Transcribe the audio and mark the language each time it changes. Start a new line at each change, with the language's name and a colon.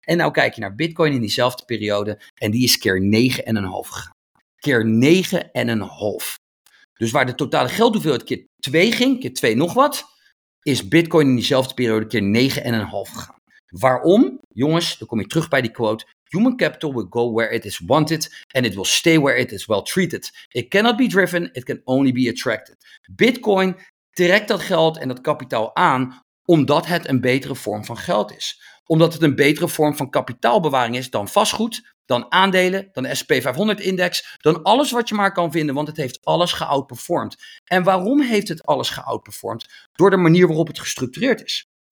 Dutch: En nou kijk je naar Bitcoin in diezelfde periode en die is keer 9,5 gegaan. Keer 9,5. Dus waar de totale geldhoeveelheid keer 2 ging, keer 2 nog wat, is Bitcoin in diezelfde periode keer 9,5 gegaan. Waarom? Jongens, dan kom je terug bij die quote.
English: Human capital will go where it is wanted and it will stay where it is well treated. It cannot be driven, it can only be attracted.
Dutch: Bitcoin trekt dat geld en dat kapitaal aan omdat het een betere vorm van geld is. Omdat het een betere vorm van kapitaalbewaring is dan vastgoed, dan aandelen, dan de S&P 500 index, dan alles wat je maar kan vinden, want het heeft alles geoutperformed. En waarom heeft het alles geoutperformed? Door de manier waarop het gestructureerd is.